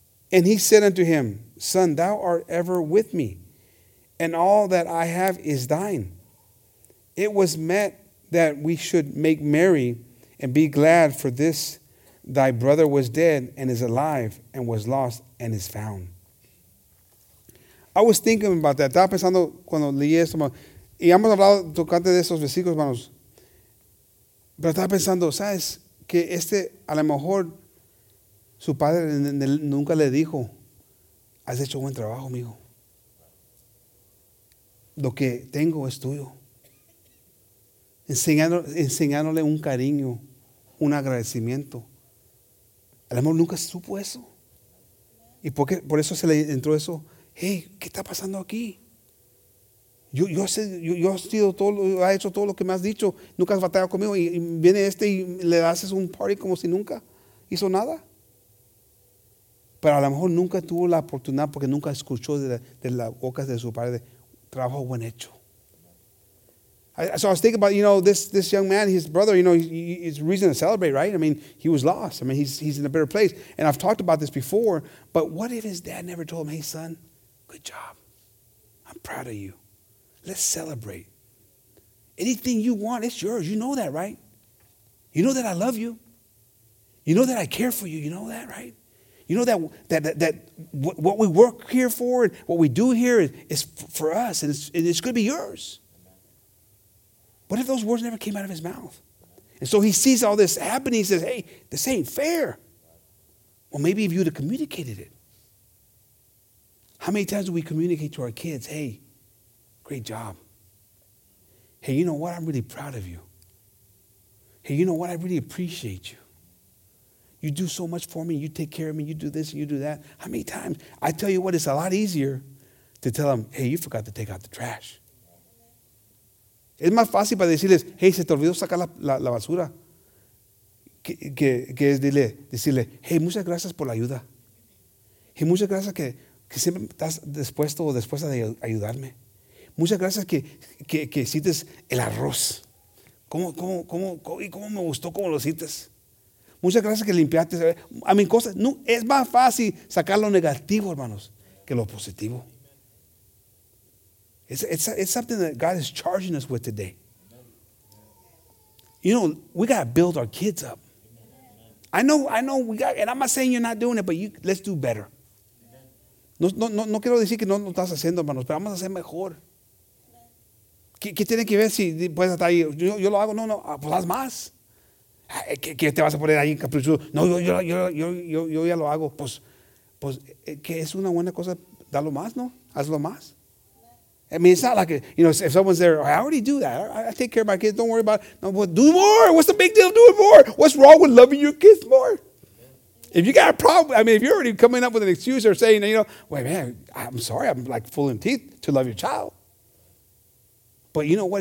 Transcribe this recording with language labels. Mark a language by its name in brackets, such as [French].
[English] And he said unto him, son, thou art ever with me, and all that I have is thine. It was meant that we should make merry and be glad, for this thy brother was dead and is alive, and was lost and is found. I was thinking about that. [Spanish] Estaba pensando cuando leí esto. Y hemos hablado tocante de esos versículos, hermanos. Pero estaba pensando, ¿sabes? Que este, a lo mejor, su padre nunca le dijo, has hecho un buen trabajo, mijo. Lo que tengo es tuyo. Enseñándole un cariño, un agradecimiento. A lo mejor nunca supo eso. Y por eso se le entró eso. Hey, ¿qué está pasando aquí? Yo he sido todo, ha hecho todo lo que me has dicho. Nunca has batallado conmigo. Y viene este y le haces un party como si nunca hizo nada. Pero a lo mejor nunca tuvo la oportunidad porque nunca escuchó de la boca de su padre, trabajo buen hecho. [English] So I was thinking about, you know, this young man, his brother, you know, he's reason to celebrate, right? I mean, he was lost. I mean, he's in a better place. And I've talked about this before, but what if his dad never told him, hey, son, good job. I'm proud of you. Let's celebrate. Anything you want, it's yours. You know that, right? You know that I love you. You know that I care for you. You know that, right? You know that what we work here for, what we do here is for us, and it's going to be yours. What if those words never came out of his mouth? And so he sees all this happening. He says, hey, this ain't fair. Well, maybe if you would have communicated it. How many times do we communicate to our kids, hey, great job. Hey, you know what? I'm really proud of you. Hey, you know what? I really appreciate you. You do so much for me. You take care of me. You do this and you do that. How many times? I tell you what, it's a lot easier to tell them, hey, you forgot to take out the trash. [Spanish] Es más fácil para decirles, hey, se te olvidó sacar la basura. Que es decirle, hey, muchas gracias por la ayuda. Hey, muchas gracias que siempre estás dispuesto o dispuesta de ayudarme. Muchas gracias que hiciste el arroz. ¿Cómo me gustó cómo lo hiciste? Muchas gracias que limpiaste. A mi cosa, no, es más fácil sacar lo negativo, hermanos, que lo positivo. [English] It's something that God is charging us with today. You know, we got to build our kids up. I know we got, and I'm not saying you're not doing it, but let's do better. [Spanish] No quiero decir que no lo estás haciendo, hermanos, pero vamos a hacer mejor. ¿Qué tiene que ver si puedes estar ahí? Yo lo hago, no, pues haz más. ¿Qué te vas a poner ahí caprichoso? No, yo ya lo hago. Pues que es una buena cosa, dalo más, ¿no? Hazlo más. [English] I mean, it's not like, if someone's there, I already do that. I take care of my kids. Don't worry about it. No, but do more. What's the big deal of doing more? What's wrong with loving your kids more? If you got a problem, if you're already coming up with an excuse or saying, wait, man, I'm sorry. I'm like pulling teeth to love your child. But you know what?